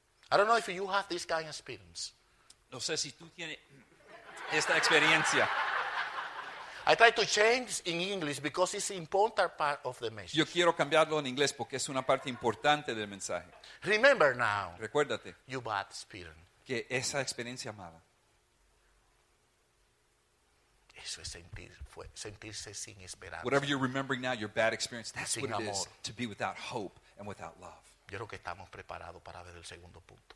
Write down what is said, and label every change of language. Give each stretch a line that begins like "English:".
English: I don't know if you have this kind of experience.
Spanish: No sé si tú tienes esta experiencia.
English: I try to change in English because it's an important part of the message.
Spanish: Yo quiero cambiarlo en inglés porque es una parte importante del mensaje.
English: Remember now.
Spanish: Recuérdate.
English: You bad experience.
Spanish: Que esa experiencia mala. Eso es sentirse sin esperanza.
English: Whatever you're remembering now, your bad experience, that's what it is to be without hope and without love.
Spanish: Yo creo que estamos preparados para ver el segundo punto.